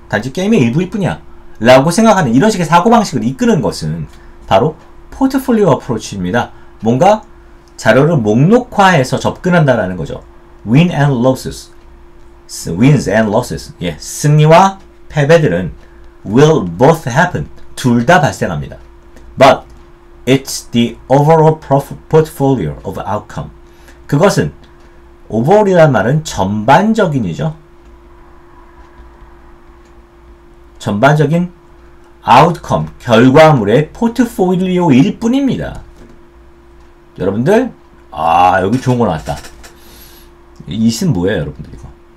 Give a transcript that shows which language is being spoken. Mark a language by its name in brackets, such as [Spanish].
[Korean] 단지 게임의 일부일 뿐이야 라고 생각하는 이런 식의 사고방식을 이끄는 것은 바로 포트폴리오 어프로치입니다. 뭔가 자료를 목록화해서 접근한다라는 거죠. [English] Win and losses. Wins and losses. [Korean] 예, 승리와 패배들은 [English] will both happen. [Korean] 둘 다 발생합니다. [English] But it's the overall portfolio of outcome. [Korean] 그것은 overall이란 말은 전반적인이죠. 전반적인 outcome, 결과물의 포트폴리오일 뿐입니다. 여러분들, 아, 여기 좋은 거 나왔다. It은 뭐예요, 여러분들 이거?